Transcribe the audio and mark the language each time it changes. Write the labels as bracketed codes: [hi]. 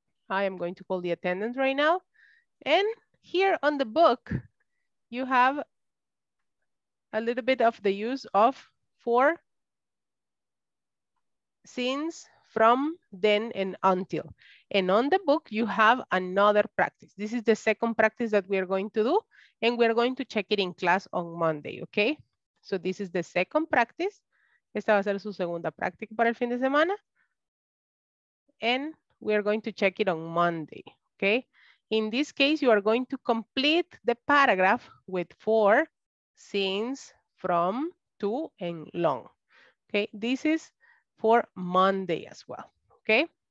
[en] I am going to call the attendant right now. And here on the book, you have a little bit of the use of for, since, from, then, and until. And on the book, you have another practice. This is the second practice that we are going to do, and we are going to check it in class on Monday, okay? So this is the second practice. [es] Esta va a ser su segunda práctica para el fin de semana. [en] And we are going to check it on Monday, okay? In this case, you are going to complete the paragraph with for, since, from, to, and long. Okay, this is for Monday as well, okay?